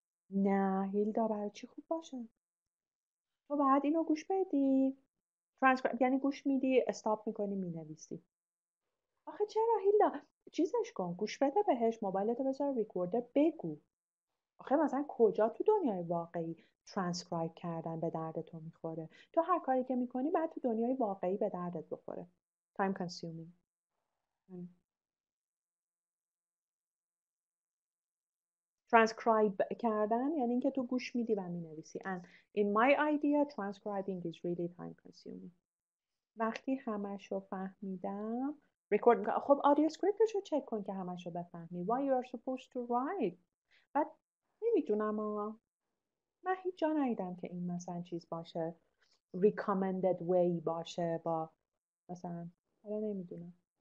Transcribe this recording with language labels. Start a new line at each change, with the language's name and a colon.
Persian: نه هیلدا برای چی خوب باشه؟ تو بعد اینو گوش بدی؟ ترانسکرایب یعنی گوش میدی، استاپ میکنی، مینویسی آخه چرا هیلدا؟ چیزش کن، گوش بده بهش، موبایلتو بذار ریکوردر بگو آخه مثلا کجا تو دنیای واقعی ترانسکرایب کردن به دردتو میخوره؟ تو هر کاری که میکنی بعد تو دنیای واقعی به دردت بخوره time consuming ترانسکرایب کردن یعنی اینکه تو گوش میدی و مینویسی.
English: And in my idea, transcribing is really time consuming.
Persian: وقتی همش رو فهمیدم ریکورد میکنم. خب آدیو اسکریپتش رو چک کن که همش رو بفهمی.
English: Why you are supposed to write.
Persian: بعد نمیدونم آقا. من هیچ جا ندیدم که این مثلا چیز باشه. Recommended way باشه با مثلا. حالا نمیدونم.